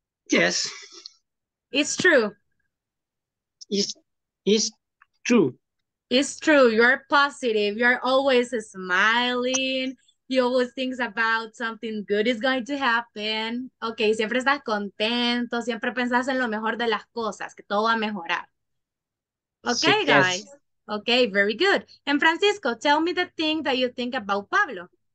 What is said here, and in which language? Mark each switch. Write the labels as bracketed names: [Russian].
[English] Yes. It's true. It's true. It's true, you're positive, you're always smiling, you always think about something good is going to happen. [Spanish] Okay, siempre estás contento, siempre pensás en lo mejor de las cosas, que todo va a mejorar. [English] Okay, yes. Guys, okay, very good. And Francisco, tell me the thing that you think about Pablo.